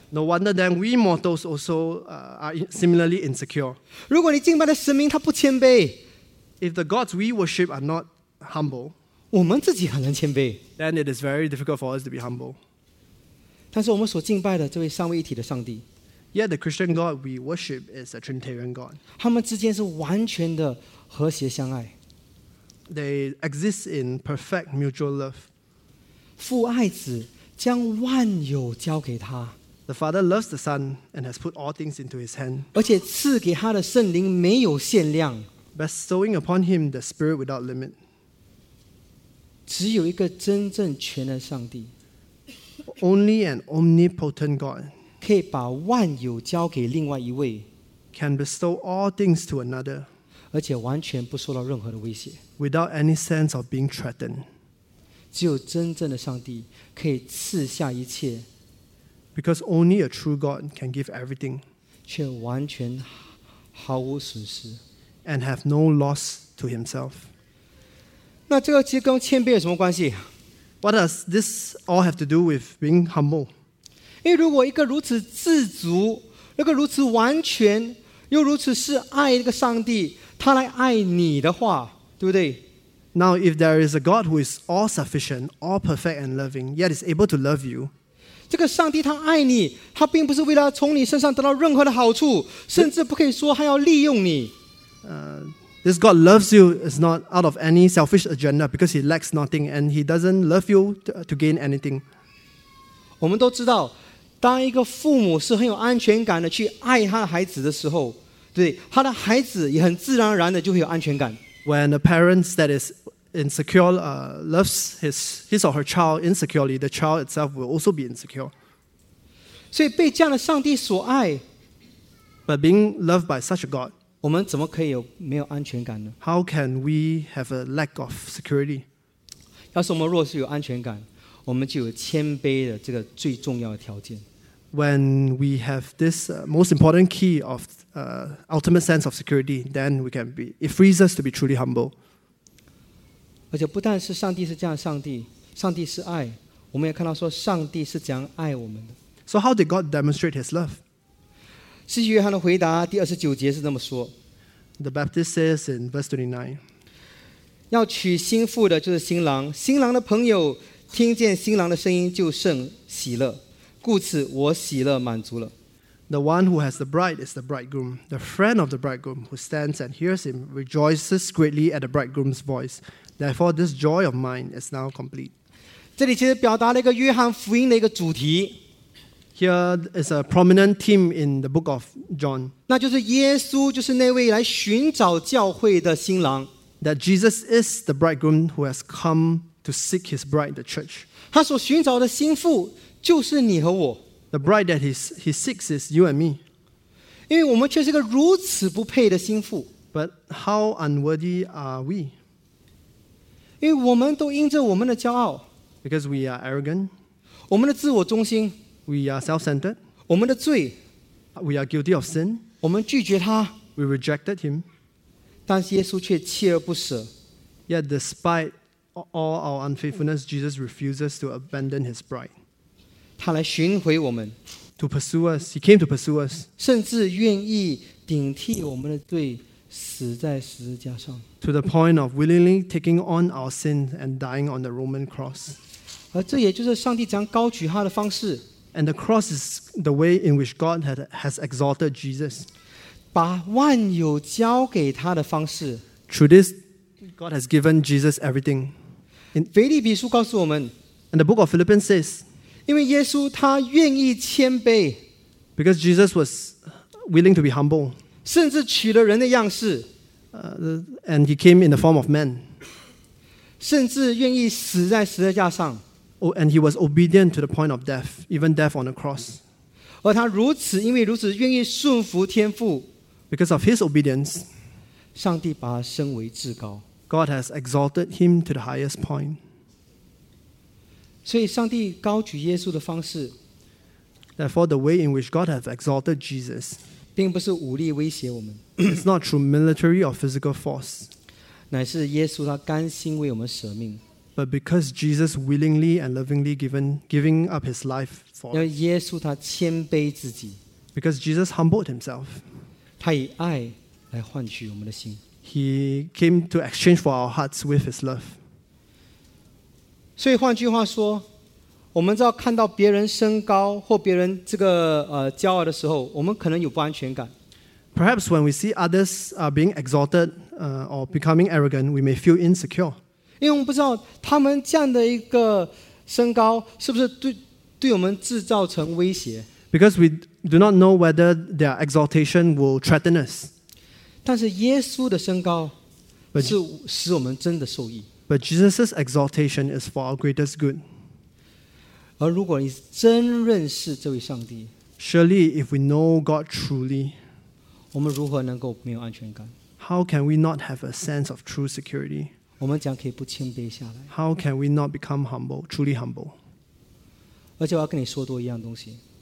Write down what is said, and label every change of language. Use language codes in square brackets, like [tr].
[en] No wonder then we mortals also are similarly insecure. [zh] 如果你敬拜的神明他不谦卑， [en] if the gods we worship are not humble, [zh] 我们自己很难谦卑， [en] then it is very difficult for us to be humble. [zh] 但是我们所敬拜的这位三位一体的上帝， [en] yet the Christian God we worship is a Trinitarian God. [zh] 他们之间是完全的 和谐相爱。 [en] They exist in perfect mutual love. [zh] 父爱子将万有交给他。 [en] The Father loves the Son and has put all things into His hand. [zh] 而且赐给他的圣灵没有限量, [en] bestowing upon Him the Spirit without limit. [zh] 只有一个真正全能上帝, [en] only an omnipotent God [zh] 可以把万有交给另外一位, [en] can bestow all things to another. [zh] 而且完全不受到任何的威胁, [en] without any sense of being threatened. [zh] 只有真正的上帝可以赐下一切, [en] because only a true God can give everything [zh] 却完全毫无损失, [en] and have no loss to himself. [zh] 那这个其实跟谦卑有什么关系? [en] What does this all have to do with being humble? [zh] 因为如果一个如此自足, 一个如此完全, 又如此是爱那个上帝, 他来爱你的话, 对不对? [en] Now, if there is a God who is all-sufficient, all-perfect and loving, yet is able to love you, [zh] 这个上帝他爱你, 他并不是为了从你身上得到任何的好处, 甚至不可以说他要利用你。 [en] This God loves you is not out of any selfish agenda because He lacks nothing and He doesn't love you to gain anything. [zh] 我们都知道, 当一个父母是很有安全感的去爱他的孩子的时候, 对, 他的孩子也很自然而然的就会有安全感。 [en] When a parent that is insecure loves his or her child insecurely, the child itself will also be insecure. [zh] 所以被这样的上帝所爱, [en] but being loved by such a God, [zh] 我们怎么可以有没有安全感呢? [en] How can we have a lack of security? [zh] 要是我们若是有安全感, 我们就有谦卑的这个最重要的条件。 [en] When we have this most important key of ultimate sense of security, then we can be, it frees us to be truly humble. [zh] 而且不但是上帝是这样的上帝，上帝是爱， 我们也看到说上帝是怎样爱我们的。 [en] So how did God demonstrate His love? [zh] 使徒约翰的回答第29节是这么说。 [en] The Baptist says in verse 29, [zh] 要娶新妇的就是新郎， 新郎的朋友听见新郎的声音就甚喜乐， 故此我喜乐满足了。 [en] The one who has the bride is the bridegroom. The friend of the bridegroom who stands and hears him rejoices greatly at the bridegroom's voice. Therefore, this joy of mine is now complete. [zh] 这里其实表达了一个约翰福音的一个主题。 [en] Here is a prominent theme in the book of John. [zh] 那就是耶稣就是那位来寻找教会的新郎。 [en] That Jesus is the bridegroom who has come to seek his bride, the church. [zh] 他所寻找的新妇就是你和我。 [en] The bride that he seeks is you and me. [zh] 因为我们却是个如此不配的新妇。 [en] But how unworthy are we? [zh] 因为我们都因着我们的骄傲, [en] because we are arrogant, [zh] 我们的自我中心, [en] we are self-centered, [zh] 我们的罪, [en] we are guilty of sin, [zh] 我们拒绝他, [en] we rejected him, [zh] 但是耶稣却锲而不舍, [en] yet despite all our unfaithfulness, Jesus refuses to abandon his bride. [zh] 他来寻回我们, [en] to pursue us, he came to pursue us, [zh] 甚至愿意顶替我们的罪, 死在十字架上, [en] to the point of willingly taking on our sin and dying on the Roman cross. [zh] 而这也就是上帝这样高举他的方式, [en] and the cross is the way in which God has exalted Jesus. [zh] 把万有交给他的方式, [en] through this, God has given Jesus everything. [zh] 腓立比书告诉我们, [en] and the book of Philippians says, [zh] 因为耶稣他愿意谦卑, [en] because Jesus was willing to be humble, [zh] 甚至取了人的样式, [en] and he came in the form of man, [zh] 甚至愿意死在十字架上, [en] and he was obedient to the point of death, even death on the cross. [zh] 而他如此因为如此愿意顺服天父, [en] because of his obedience, [zh] 上帝把他升为至高, [en] God has exalted him to the highest point. [zh] 所以上帝高举耶稣的方式, [en] therefore the way in which God has exalted Jesus, [zh] 并不是武力威胁我们, [en] it's not through military or physical force, [zh] 乃是耶稣他甘心为我们舍命, [en] but because Jesus willingly and lovingly giving up his life for us. [zh] 因为耶稣他谦卑自己, [en] because Jesus humbled himself. [zh] 他以爱来换取我们的心, [en] he came to exchange for our hearts with his love. [zh] 所以换句话说, 我们在看到别人升高或别人这个骄傲的时候, 我们可能有不安全感。 [en] Perhaps when we see others are being exalted or becoming arrogant, we may feel insecure. [zh] 因为我们不知道他们这样的一个升高是不是对我们制造成威胁。 [en] Because we do not know whether their exaltation will threaten us. [zh] 但是耶稣的升高是使我们真的受益。 [en] But Jesus' exaltation is for our greatest good. [zh] 而如果你真认识这位上帝, [en] Surely, if we know God truly, [zh] 我们如何能够没有安全感? [en] How can we not have a sense of true security? [zh] 我们将可以不谦卑下来。 [en] How can we not become humble, truly humble? [zh] 而且我要跟你说多一样东西。